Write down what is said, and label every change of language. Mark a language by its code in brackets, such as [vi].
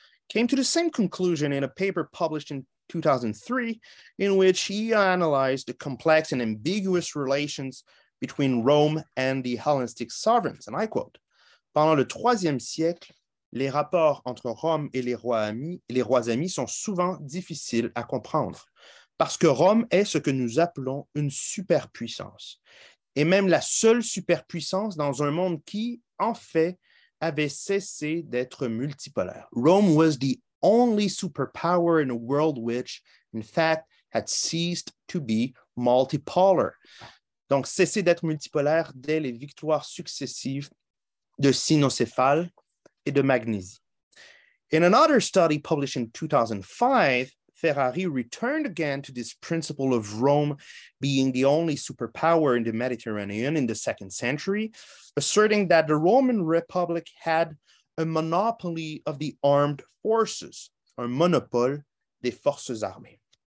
[en] came to the same conclusion in a paper published in 2003, in which he analyzed the complex and ambiguous relations between Rome and the Hellenistic sovereigns, and I quote, [fr] "Pendant le IIIe siècle, les rapports entre Rome et les rois amis sont souvent difficiles à comprendre, parce que Rome est ce que nous appelons une superpuissance, et même la seule superpuissance dans un monde qui, en fait, avait cessé d'être multipolaire. [en] Rome was the only superpower in a world which, in fact, had ceased to be multipolar." [fr] Donc, cesser d'être multipolaire dès les victoires successives de Cynocéphale et de Magnésie. [en] In another study published in 2005, Ferrari returned again to this principle of Rome being the only superpower in the Mediterranean in the second century, asserting that the Roman Republic had a monopoly of the armed forces, [fr] un monopole des forces armées.